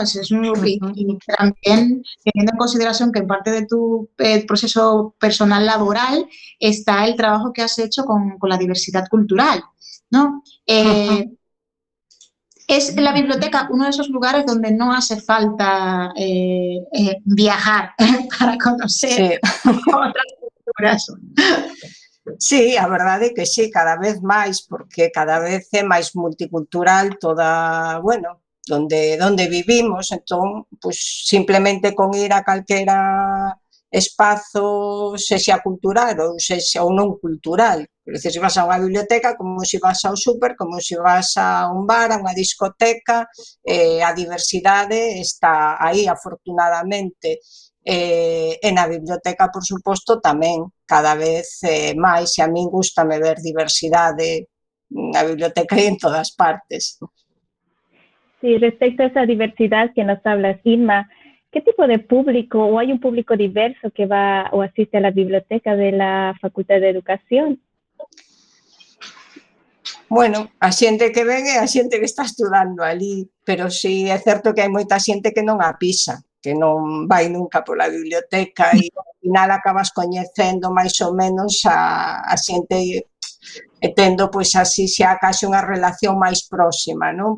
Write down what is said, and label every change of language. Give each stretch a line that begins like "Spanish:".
Spanish: Eso es y también teniendo en consideración que en parte de tu proceso personal laboral está el trabajo que has hecho con la diversidad cultural, ¿no? Es la biblioteca uno de esos lugares donde no hace falta viajar para conocer otras culturas.
Galician: Sí, a verdade é que sí, cada vez máis, porque cada vez é máis multicultural toda, bueno, donde vivimos, entón, pues, simplemente con ir a calquera espazo, se xa cultural ou se xa ou non cultural. Pero se vas a unha biblioteca, como se vas ao súper, como se vas a un bar, a unha discoteca, a diversidade está aí, afortunadamente. En a biblioteca, por suposto, tamén, cada vez máis, e a min gustame ver diversidade na biblioteca e en todas partes.
Spanish: Sí, respecto a esa diversidad que nos hablas, Inma, ¿qué tipo de público, o hay un público diverso que va o asiste a la biblioteca de la Facultad de Educación?
Galician: Bueno, a xente que ven e a xente que está estudando ali, pero sí, é certo que hai moita xente que non a pisa, que non vai nunca pola biblioteca e ao final acabas coñecendo máis ou menos a xente e tendo, pois, así xa case unha relación máis próxima, non?